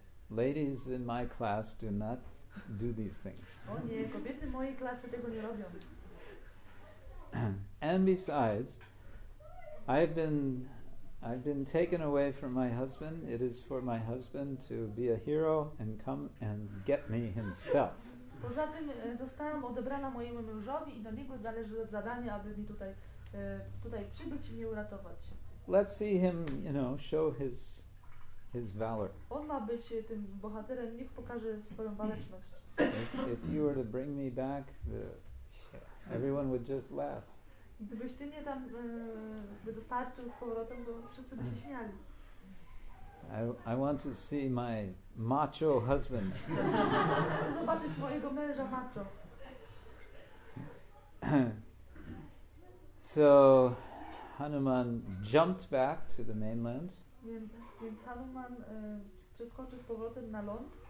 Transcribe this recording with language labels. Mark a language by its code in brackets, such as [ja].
[en] Ladies in my class do not do these things. [pl] O nie, kobiety mojej klasy tego nie robią. [en] And besides, I've been taken away from my husband. It is for my husband to be a hero and come and get me himself. [pl] Poza tym zostałam odebrana mojemu mężowi i na niego zależy zadanie, aby mi tutaj przybyć i mnie uratować. [en] Let's see him, you know, show his valor. [pl] On ma być tym bohaterem, niech pokaże swoją waleczność. [en] If you were to bring me back, everyone would just laugh. [pl] Gdybyś ty mnie tam dostarczył z powrotem, to wszyscy by się śmiali. [en] I want to see my macho husband. [pl] Chcę zobaczyć mojego męża macho. [en] So Hanuman jumped back to the mainland. [pl] Więc Hanuman przeskoczył z powrotem na ląd.